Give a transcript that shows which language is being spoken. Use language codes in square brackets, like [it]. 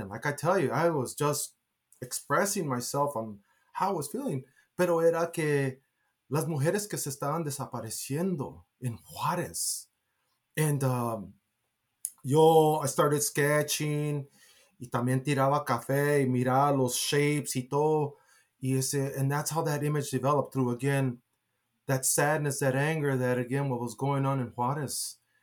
[en] And like I tell you, I was just expressing myself on how I was feeling. [es] Pero era que las mujeres que se estaban desapareciendo en Juárez. [en] And yo, I started sketching. [es] Y también tiraba café y miraba los shapes y todo. [en] And that's how that image developed through, again, that sadness, that anger, that again, what was going on in Juárez.